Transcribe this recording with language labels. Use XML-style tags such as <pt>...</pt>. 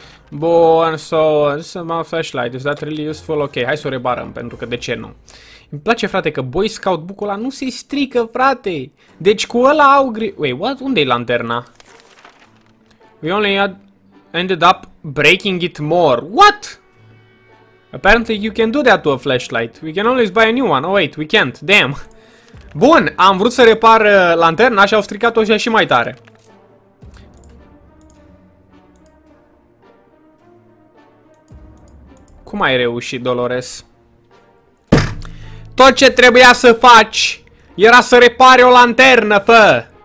<en>Bun, so, this is my flashlight, is that really useful?</en> <ro>Ok, hai să o rebarăm, pentru că de ce nu? Îmi place, frate, că Boy Scout book-ul ăla nu se strică, frate! Deci cu ăla au gri...</ro> <en>Wait, what?</en> <ro>Unde-i lanterna?</ro> <en>We only ended up breaking it more. What? Apparently you can do that to a flashlight. We can always buy a new one. Oh, wait, we can't. Damn.</en> <ro>Bun, am vrut să repar lanterna și au stricat-o și mai tare. Cum ai reușit, Dolores? Tot ce trebuia să faci era să repari o lanternă, fă!</ro>